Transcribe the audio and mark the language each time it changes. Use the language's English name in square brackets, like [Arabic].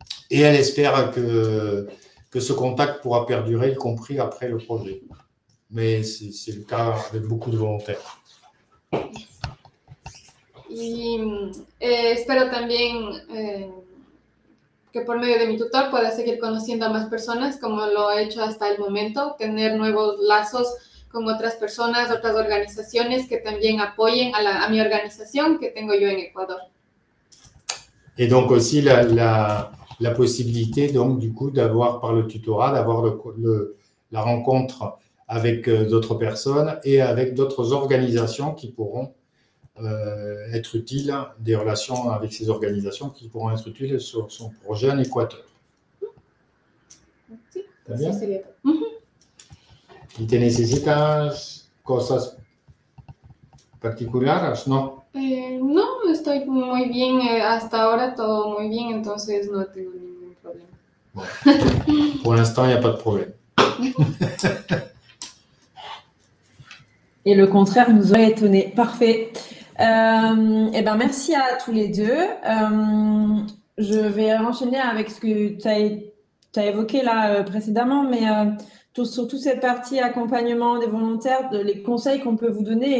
[French] Et elle espère que ce contact pourra perdurer, y compris après le projet. Mais c'est le cas avec beaucoup de volontaires. [Spanish] Y espero también que por medio de mi tutor pueda seguir conociendo a más personas como lo he hecho hasta el momento, tener nuevos lazos con otras personas, otras organizaciones que también apoyen a mi organización que tengo yo en Ecuador. [French] Et donc aussi la possibilité donc du coup d'avoir par le tutorat d'avoir la rencontre avec d'autres personnes et avec d'autres organisations qui pourront être utiles, des relations avec ces organisations qui pourront être utiles sur son projet en Équateur. Si, c'est [Spanish] bien. Y te necesitas cosas particulares, ¿no? No, estoy muy bien hasta ahora, todo muy bien, entonces no tengo ningún problema. [French] Bon. Pour l'instant, il n'y a pas de problème. Et le contraire nous aurait étonné. Parfait. Eh ben, merci à tous les deux. Je vais enchaîner avec ce que tu as évoqué là précédemment, mais sur toute cette partie accompagnement des volontaires, les conseils qu'on peut vous donner.